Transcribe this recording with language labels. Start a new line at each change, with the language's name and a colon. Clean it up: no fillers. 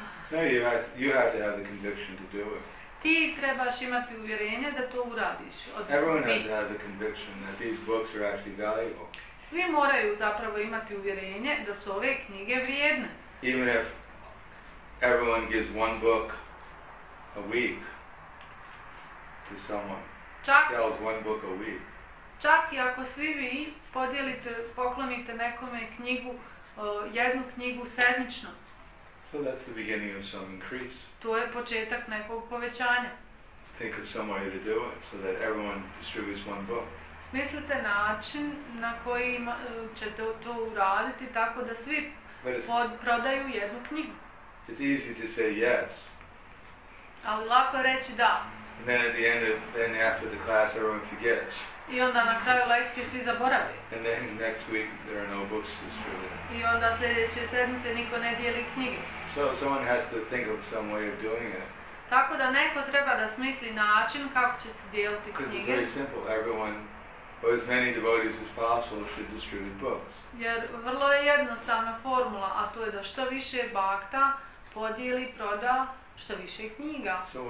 English: No, you have to have the conviction to do it.
Bosnian: Ti trebaš imati uvjerenje da to uradiš.
English: Everyone has to have the conviction that these books are actually valuable.
Bosnian: Svi moraju zapravo imati uvjerenje da su ove knjige vrijedne.
English: Even if everyone gives one book a week to someone, sells one book a week.
Bosnian: Čak i ako svi vi podijelite, poklonite nekome knjigu, jednu knjigu sedmično.
English: So that's the beginning of some increase.
Bosnian: To je početak nekog povećanja.
English: Think of some way to do it so that everyone distributes one book.
Bosnian: Smislite način na koji ćete to uraditi tako da svi prodaju jednu knjigu.
English: It's easy to say yes.
Bosnian: Ali lako reći da.
English: And then at the end of, then after the class, everyone forgets.
Bosnian: I onda na kraju lekcije svi zaboravi.
English: And then next week, there are no books distributed.
Bosnian: I onda sljedeće sedmice niko ne dijeli knjige.
English: So someone has to think of some way of doing it.
Bosnian: Tako da neko treba da smisli način kako će se dijeliti knjige.
English: Because it's very simple. Everyone, or as many devotees as possible, should distribute books.
Bosnian: Jer vrlo je jednostavna formula, a to je da što više bhakta podijeli, proda, što više knjiga.